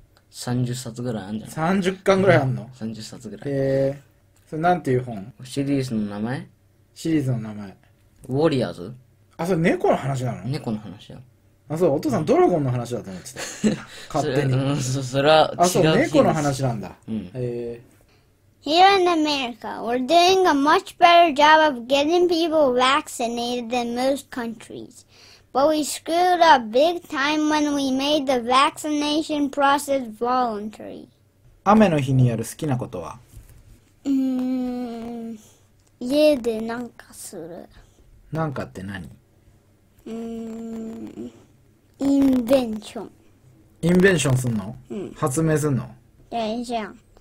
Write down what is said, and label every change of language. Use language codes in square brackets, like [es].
[ja] 30冊ぐらいあんじゃない。 30巻ぐらいあんの、うん、 30冊ぐらい。へえ。それなんていう本？シリーズの名前？シリーズの名前。ウォリアーズ？あ、それ猫の話なの？猫の話よ。あ、そう、お父さんドラゴンの話だと思ってた。勝手に。それは違う。あ、そう、猫の話なんだ。 [en] Here in America, we're doing a much better job of getting people vaccinated than most countries. But we screwed up big time when we made the vaccination process voluntary. [ja] 雨の日にやる好きなことは？家でなんかする。なんかって何？インベンション。インベンションすんの？うん。発明すんの？いや、いいじゃん。